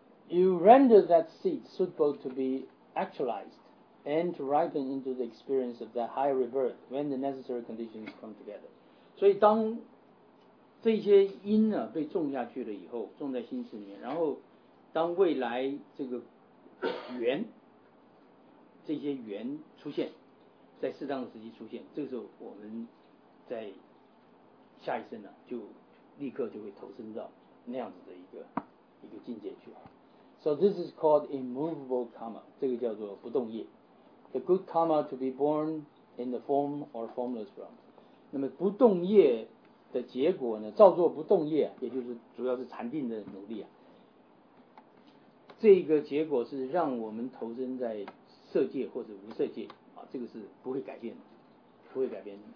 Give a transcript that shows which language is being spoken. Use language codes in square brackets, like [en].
[en] You render that seed suitable to be actualized and to ripen into the experience of that higher rebirth when the necessary conditions come together. [zh] 所以当这些因呢、啊、被种下去了以后，种在心事里面，然后当未来这个缘，这些缘出现，在适当的时机出现，这个时候我们在下一生呢、啊，就立刻就会投身到那样子的一个境界去。 [en] So this is called immovable karma， [zh] 这个叫做不动业。 [en] The good karma to be born in the form or formless form. [zh] 那么不动业的结果呢，造作不动业，也就是主要是禅定的努力啊，这个结果是让我们投身在色界或者无色界啊，这个是不会改变的，不会改变。